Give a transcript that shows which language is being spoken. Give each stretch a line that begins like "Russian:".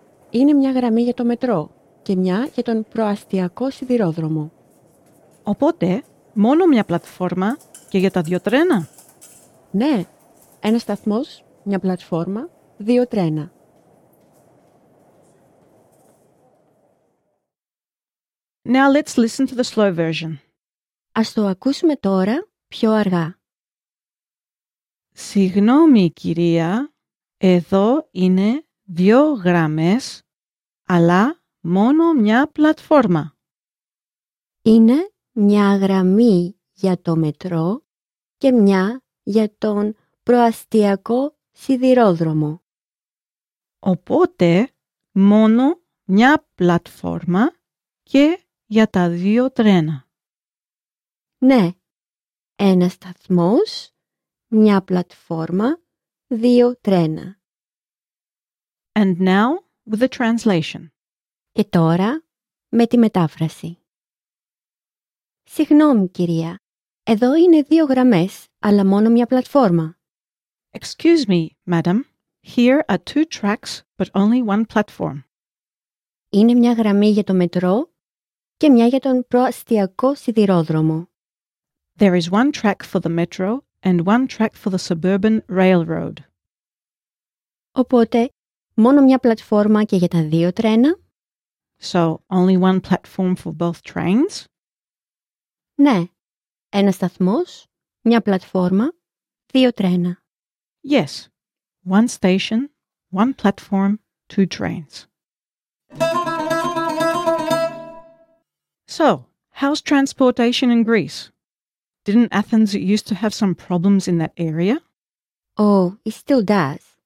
Greek: Είναι μια γραμμή για το μετρό και μια για τον προαστιακό σιδηρόδρομο. Οπότε, μόνο μια πλατφόρμα και για τα δύο τρένα. Ναι. Ένα σταθμός, μια πλατφόρμα, δύο τρένα.
English: Now let's listen to the slow version.
Greek: Ας το ακούσουμε τώρα πιο αργά. Συγγνώμη, κυρία, εδώ είναι δύο γραμμές, αλλά μόνο μια πλατφόρμα. Είναι μια γραμμή για το μετρό και μια για τον προαστιακό σιδηρόδρομο. Οπότε, μόνο μια πλατφόρμα και για τα δύο τρένα. Ναι, ένα σταθμός, μια πλατφόρμα, δύο τρένα. And now with the translation. Και τώρα με τη μετάφραση. Συγγνώμη, κυρία. Εδώ είναι δύο γραμμές, αλλά μόνο μια πλατφόρμα.
English: Excuse me, madam. Here are two tracks, but only one platform.
Greek: Είναι μια γραμμή για το μετρό και μια για τον προαστιακό σιδηρόδρομο.
English: There is one track for the metro and one track for the suburban railroad.
Greek: Οπότε, μόνο μια πλατφόρμα και για τα δύο τρένα.
English: So, only one platform for both trains?
Greek: Ναι. Ένα σταθμός, μια πλατφόρμα, δύο τρένα.
English: Yes. One station, one platform, two trains. So, how's transportation in Greece? Didn't Athens used to have some problems in that area? Oh, it still does.